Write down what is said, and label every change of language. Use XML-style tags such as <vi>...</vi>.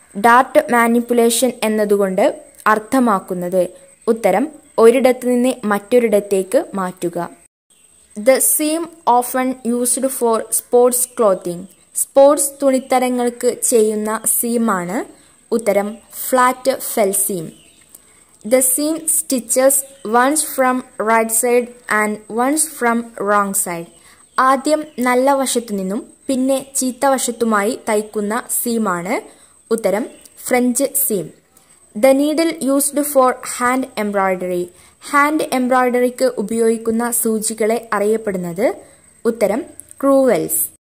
<ml>Dart manipulation എന്നതുകൊണ്ട് അർത്ഥമാക്കുന്നത്. ഉത്തരം ഒരിടത്ത് നിന്ന് മറ്റൊരിടത്തേക്ക് മാറ്റുക.</ml> <en>The seam often used for sports clothing.</en> <ml>Sports തുണിത്തരങ്ങൾക്ക് ചെയ്യുന്ന സീമാണ്. ഉത്തരം flat ഫെൽസീം.</ml> <en>the seam stitches once from right side and once from wrong side.</en> <ml>ആദ്യം നല്ല വശത്തു നിന്നും പിന്നെ ചീത്ത വശത്തുമായി തയ്ക്കുന്ന സീമാണ് ഉത്തരം French seam.</ml> <en>The needle used for hand embroidery.</en> <ml>Hand എംബ്രോയിഡറിക്ക് ഉപയോഗിക്കുന്ന സൂചികളെ അറിയപ്പെടുന്നത് ഉത്തരം ക്രൂവെൽസ്.</ml>